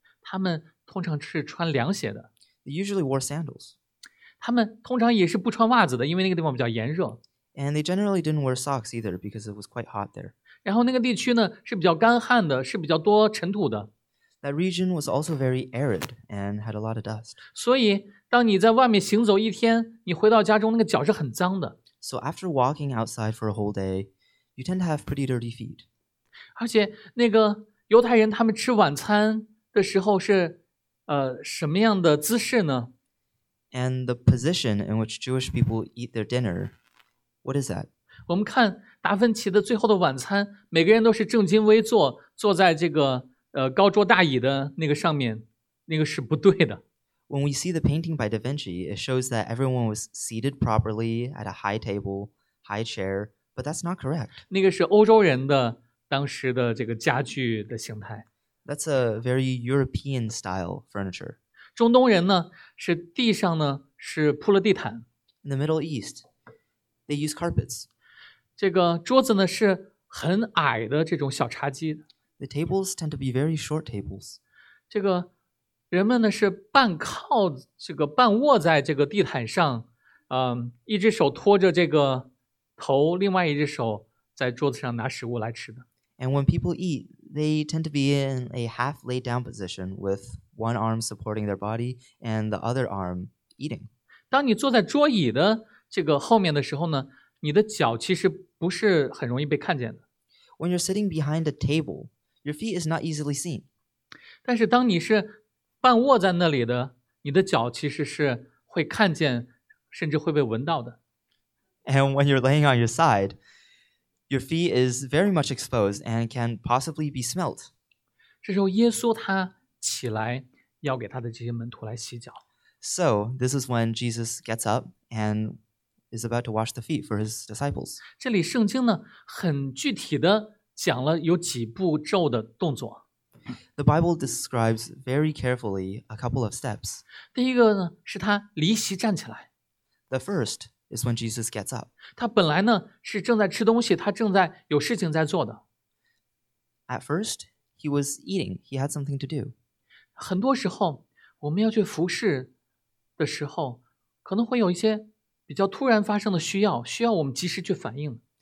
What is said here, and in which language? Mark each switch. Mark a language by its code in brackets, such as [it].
[zh] 他们通常是穿凉鞋的。 [en] They usually wore sandals. [zh] 他们通常也是不穿袜子的，因为那个地方比较炎热。 [en] And they generally didn't wear socks either because it was quite hot there. [zh] 然后那个地区呢是比较干旱的，是比较多尘土的。 [en] That region was also very arid and had a lot of dust. [zh] 所以当你在外面行走一天，你回到家中那个脚是很脏的。 [en] So after walking outside for a whole day, you tend to have pretty dirty feet. [zh] 而且那个犹太人他们吃晚餐的时候是什么样的姿势呢？ [en] And the position in which Jewish people eat their dinner, what is that? [zh] 我们看达芬奇的最后的晚餐，每个人都是正襟危坐，坐在这个高桌大椅的那个上面，那个是不对的。 [en] When we see the painting by Da Vinci, it shows that everyone was seated properly at a high table, high chair, but that's not correct. [zh] 那个是欧洲人的当时的这个家具的形态。 [en] That's a very European style furniture. [zh] 中东人呢，是地上呢，是铺了地毯。 [en] In the Middle East, they use carpets. [zh] 这个桌子呢，是很矮的这种小茶几。 [en] The tables tend to be very short tables. [zh] 这个人们呢是半靠这个半卧在这个地毯上，一只手托着这个头，另外一只手在桌子上拿食物来吃的。 [en] And when people eat, they tend to be in a half laid down position with one arm supporting their body and the other arm eating. [zh] 当你坐在桌椅的这个后面的时候呢，你的脚其实不是很容易被看见的。 [en] When you're sitting behind a table, your feet is not easily seen. [zh] 但是当你是半卧在那里的，你的脚其实是会看见，甚至会被闻到的。 [en] And when you're laying on your side, your feet is very much exposed and can possibly be smelt. [zh] 这时候耶稣他起来要给他的这些门徒来洗脚。 [en] So this is when Jesus gets up and is about to wash the feet for his disciples. [zh] 这里圣经呢很具体的讲了有几步骤的动作。 [en] The Bible describes very carefully a couple of steps. [zh] 第一个呢是他离席站起来。 [en] The first is when Jesus gets up. [zh] 他本来呢是正在吃东西，他正在有事情在做的。 [en] At first, he was eating. He had something to do. [zh] 很多时候我们要去服侍的时候，可能会有一些比较突然发生的需要，需要我们及时去反应。